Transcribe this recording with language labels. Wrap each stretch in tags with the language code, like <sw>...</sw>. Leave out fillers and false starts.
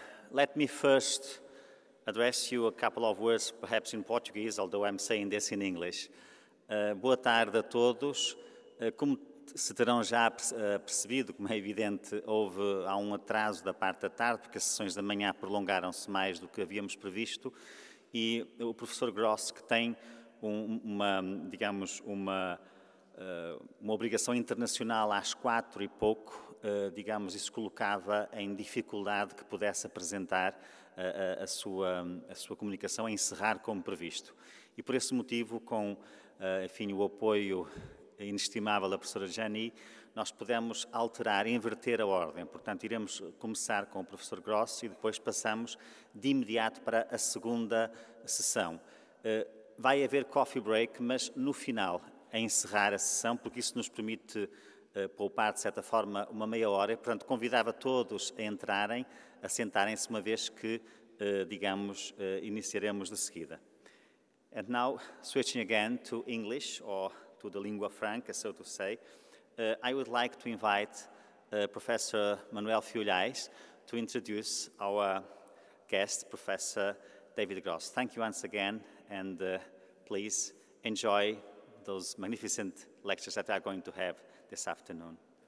<en>Let me first address you a couple of words, perhaps in Portuguese, although I'm saying this in English.</en> <pt>Boa tarde a todos. Como se terão já percebido, como é evidente, há um atraso da parte da tarde, porque as sessões da manhã prolongaram-se mais do que havíamos previsto, e o professor Gross, que tem uma obrigação internacional às 4 e pouco, digamos, isso colocava em dificuldade que pudesse apresentar a sua comunicação, a encerrar como previsto. E por esse motivo, com enfim, o apoio inestimável da professora Jani, nós pudemos alterar, inverter a ordem. Portanto, iremos começar com o professor Gross e depois passamos de imediato para a segunda sessão. Vai haver coffee break, mas no final, a encerrar a sessão, porque isso nos permite poupar, de certa forma, uma meia hora. Portanto, convidava todos a entrarem, a sentarem-se, uma vez que, digamos, iniciaremos de seguida.</pt> <en>And now, switching again to English, or to the lingua franca, so to say, I would like to invite Professor Manuel Fiolhais to introduce our guest, Professor David Gross. Thank you once again, and please enjoy those magnificent lectures that we are going to have this afternoon.</en>